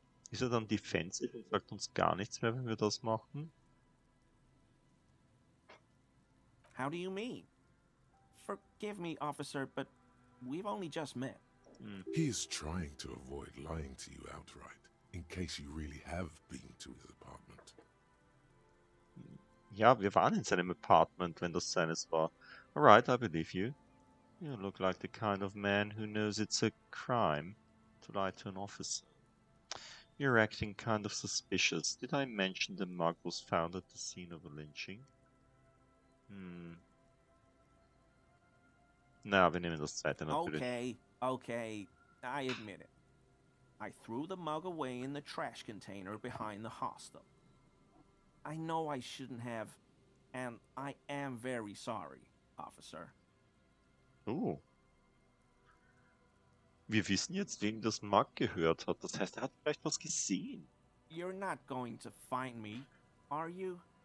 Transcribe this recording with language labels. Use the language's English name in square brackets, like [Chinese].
[German] Ist er dann defensive und sagt uns gar nichts mehr, wenn wir das machen? [English] How do you mean? Forgive me, officer, but we've only just met. He is trying to avoid lying to you outright, in case you really have been to his apartment. [German] Ja, wir waren in seinem Apartment, wenn das seines war. [English] Alright, I believe you. You look like the kind of man who knows it's a crime to lie to an officer. You're acting kind of suspicious. Did I mention the mug was found at the scene of a lynching? [German] Na, wir nehmen das zweite natürlich. [English] Okay, okay, I admit it. I threw the mug away in the trash container behind the hostel. I know I shouldn't have, and I am very sorry, officer. Ooh. [German] Wir wissen jetzt, wem das Mug gehört hat. Das heißt, er hat vielleicht was gesehen. [English] You're not going to find me, are you?